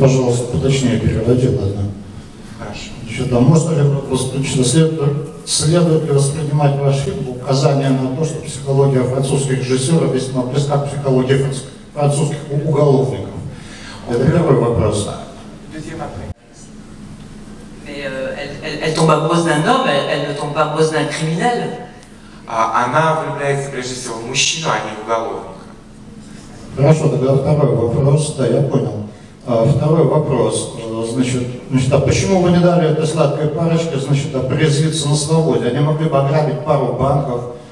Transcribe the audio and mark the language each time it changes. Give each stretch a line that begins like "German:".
Russian: Пожалуйста, точнее переводите, ладно? Хорошо. Еще там можно ли вопрос точно? Следует ли воспринимать ваш фильм указание на то, что психология французских режиссеров весьма близка к психологии французских уголовников? Это первый вопрос.
French: Mais elle tombe amoureuse d'un homme, elle ne tombe pas amoureuse d'un criminel.
Russian: Она влюбляется прежде всего в мужчину, а не в уголовника. Хорошо, тогда второй вопрос. Да, я понял. Второй вопрос. Значит, а почему вы не дали этой сладкой парочке, значит, обрезвиться на свободе? Они могли бы ограбить пару банков,